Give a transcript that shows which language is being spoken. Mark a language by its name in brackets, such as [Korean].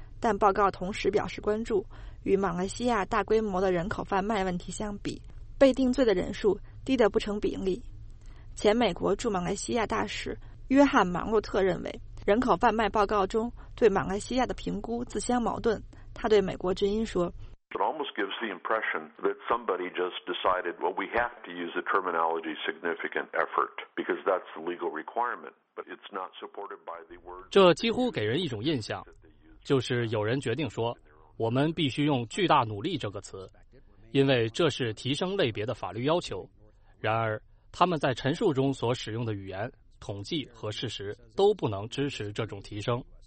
[Chinese] 但报告同时表示关注，与马来西亚大规模的人口贩卖问题相比，被定罪的人数低得不成比例。前美国驻马来西亚大使约翰·马洛特认为，人口贩卖报告中对马来西亚的评估自相矛盾。他对美国之音说， [English] It almost gives the impression that somebody just decided, well, we have to use the terminology significant effort because that's the legal requirement, but it's not supported by the word. [Chinese] 这几乎给人一种印象，就是有人决定说，我们必须用巨大努力这个词，因为这是提升类别的法律要求。然而，他们在陈述中所使用的语言、统计和事实都不能支持这种提升。